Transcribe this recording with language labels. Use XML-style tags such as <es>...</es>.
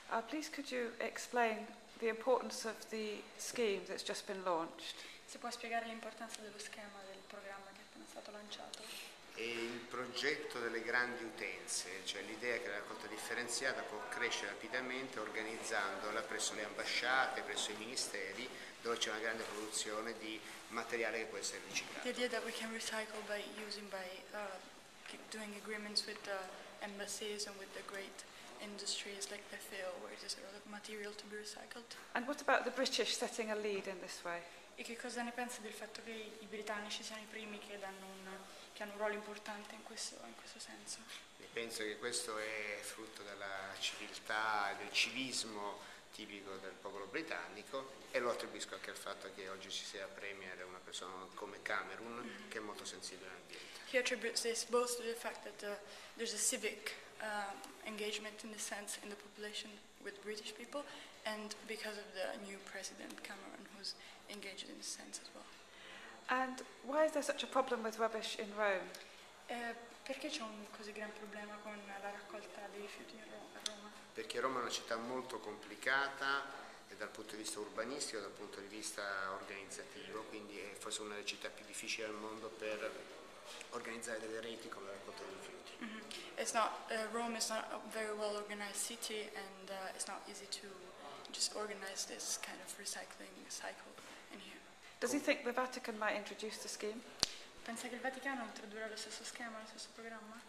<en>Please could you explain the importance of the scheme that's just been launched?</en> <it>Si può spiegare l'importanza dello schema del programma che è appena stato lanciato? E il progetto delle grandi utenze, cioè l'idea che la raccolta differenziata può crescere rapidamente organizzandola presso le ambasciate, presso i ministeri, dove c'è una grande produzione di materiale che può essere riciclato.</it> <en>The idea that we can recycle by using by doing agreements with the embassies and with the great industries like the field, where there's a lot of material to be recycled. And what about the British setting a lead in this way?</en> <it>E che cosa ne pensi del fatto che i britannici siano i primi che danno che hanno un ruolo importante in questo senso? Ne penso che questo è frutto della civiltà, del civismo tipico del popolo britannico, e lo attribuisco anche al fatto che oggi ci sia premier una persona come Cameron, mm-hmm, che è molto sensibile all'ambiente.</it> <en>He attributes this both to the fact that there's a civic engagement in the sense in the population with British people, and because of the new president Cameron, who's engaged in the sense as well. And why is there such a problem with rubbish in Rome?</en> <it>Perché c'è un così gran problema con la raccolta dei rifiuti a Roma? Perché Roma è una città molto complicata dal punto di vista urbanistico, dal punto di vista organizzativo, quindi è forse una delle città più difficili al mondo per organizzare delle reti come la raccolta dei rifiuti. Mm-hmm.</it> <en>It's not Rome is not a very well organized city, and it's not easy to just organize this kind of recycling cycle in here. Does he think the Vatican might introduce the scheme?</en> <it>Pensa che il Vaticano introdurrà lo stesso schema, lo stesso programma?</it>